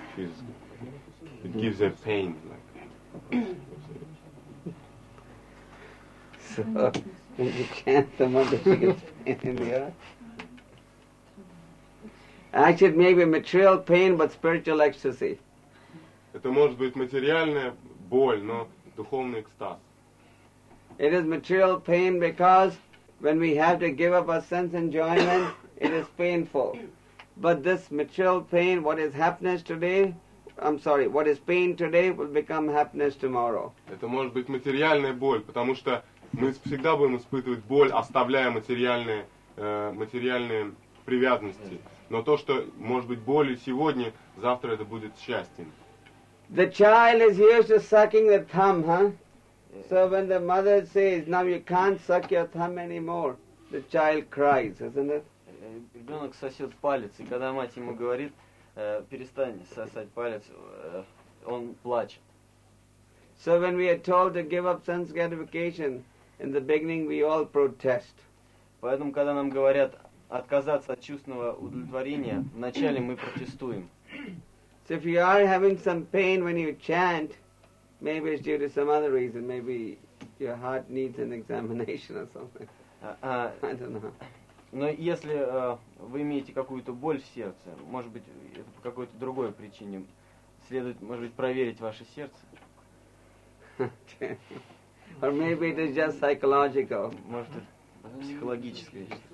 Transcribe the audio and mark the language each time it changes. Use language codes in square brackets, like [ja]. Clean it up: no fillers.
[en] She's, it gives her pain. Like so, when you chant the mantra, she gets pain in the heart? Actually, it may be material pain, but spiritual ecstasy. [ru] Это может быть материальная боль, но духовный экстаз. [en] It is material pain because when we have to give up our sense enjoyment, it is painful. But this material pain, what is happiness today, I'm sorry, what is pain today will become happiness tomorrow. [ru] Это может быть материальная боль, потому что мы всегда будем испытывать боль, оставляя материальные привязанности. Но то, что может быть болью сегодня, завтра это будет счастьем. [en] The child is used to sucking the thumb, huh? So when the mother says, now you can't suck your thumb anymore, the child cries, isn't it? [ru] Ребенок сосет палец, и когда мать ему говорит, перестань сосать палец, он плачет. [en] So when we are told to give up sense gratification, in the beginning we all protest. [ru] Поэтому, когда нам говорят отказаться от чувственного удовлетворения, вначале мы протестуем. [en] So if you are having some pain when you chant, maybe it's due to some other reason. Maybe your heart needs an examination or something. I don't know. [ru] Но если вы имеете какую-то боль в сердце, может быть, это по какой-то другой причине, следует, может быть, проверить ваше сердце. [en] Or maybe it is just psychological. [ru] Может, это психологическое.